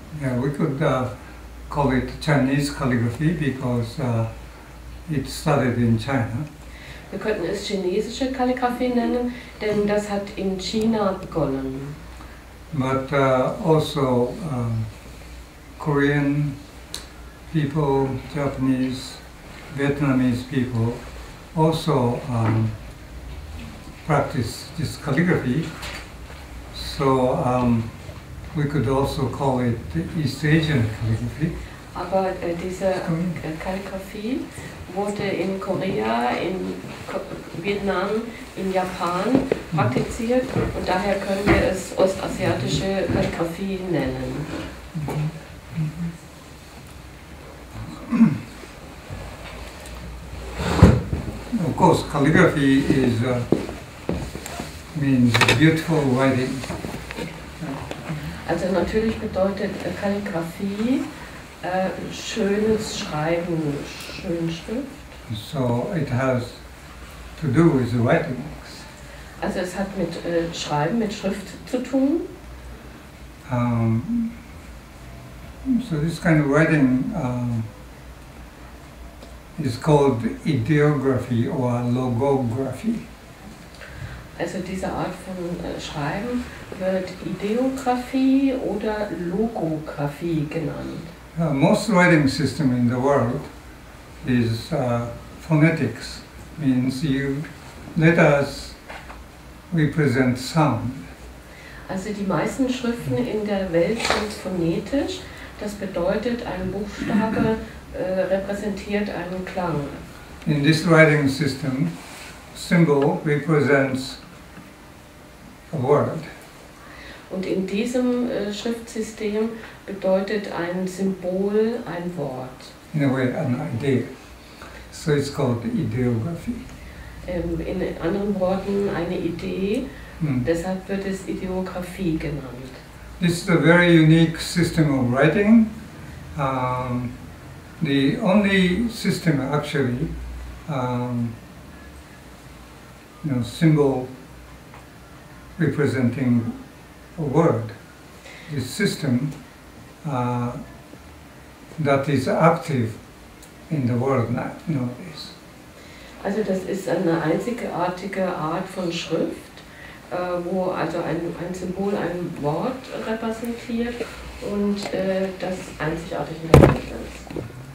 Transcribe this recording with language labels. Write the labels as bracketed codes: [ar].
[en] Yeah, we could call it Chinese calligraphy because it started in China. [de] Wir könnten es chinesische Kalligraphie nennen, denn das hat in China begonnen. [en] But also Korean people, Japanese, Vietnamese people also practice this calligraphy. So we could also call it the East Asian calligraphy. [de] Aber diese Kalligraphie wurde in Korea, in Vietnam, in Japan praktiziert und daher können wir es ostasiatische Kalligraphie nennen. [en] Of course, calligraphy is means beautiful writing. [de] Also natürlich bedeutet Kalligraphie schönes Schreiben, schön Schrift. [en] So it has to do with the writing books. [de] Also es hat mit Schreiben, mit Schrift zu tun. [en] So this kind of writing is called ideography or logography. [de] Also diese Art von Schreiben wird Ideographie oder Logographie genannt. [en] Most writing system in the world is phonetics, means you letters represent sound. [de] Also die meisten Schriften in der Welt sind phonetisch. Das bedeutet, ein Buchstabe repräsentiert einen Klang. [en] In this writing system, symbol represents a word. [de] Und in diesem Schriftsystem bedeutet ein Symbol ein Wort. [en] In a way, an idea. So it's called ideography. [de] In anderen Worten, eine Idee. Deshalb wird es Ideographie genannt. [en] This is a very unique system of writing. The only system actually, symbol representing a word, the system that is active in the world nowadays. [de] Also das ist eine einzigartige Art von Schrift, wo also ein Symbol ein Wort repräsentiert und das einzigartig in der Welt ist.